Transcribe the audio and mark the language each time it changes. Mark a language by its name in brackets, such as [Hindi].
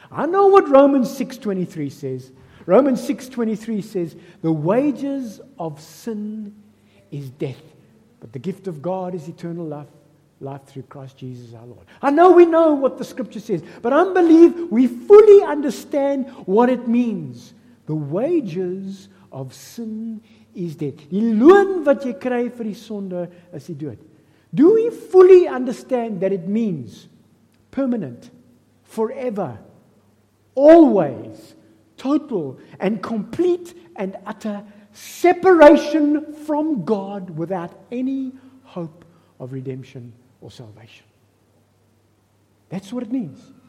[English] I know what Romans 6:23 says. Romans 6:23 says, the wages of sin is death, but the gift of God is eternal life, life through Christ Jesus our Lord. I know we know what the scripture says, but I believe we fully understand what it means. The wages of sin is dead. [Afrikaans] Die loon wat jy kry vir die sonde is die dood. [English] Do we fully understand that it means permanent, forever, always, total and complete and utter separation from God without any hope of redemption or salvation? That's what it means.